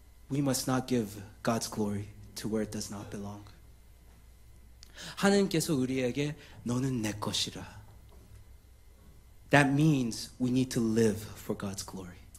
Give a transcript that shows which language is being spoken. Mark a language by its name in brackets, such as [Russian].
[English] We must not give God's glory to where it does not belong. [Korean] 하나님께서 우리에게 너는 내 것이라. [English] That means we need to live for God's glory.